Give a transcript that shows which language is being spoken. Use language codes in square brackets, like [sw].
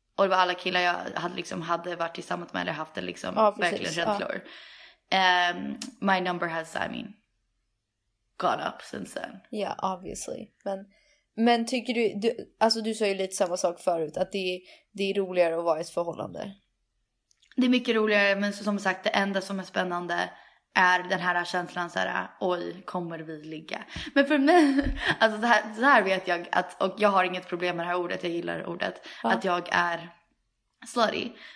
[sv] Och det var alla killar jag hade, liksom, hade varit tillsammans med eller haft det liksom, ja, verkligen känslor. Ja. [en] My number has, I mean, gone up since then. Ja, yeah, obviously. [sv] Men tycker du, alltså du sa ju lite samma sak förut, att det är roligare att vara i ett förhållande. Det är mycket roligare, men så, som sagt, det enda som är spännande är den här känslan såhär, oj, kommer vi ligga? Men för mig, alltså så här vet jag att, och jag har inget problem med det här ordet, jag gillar ordet, ja, att jag är slutty.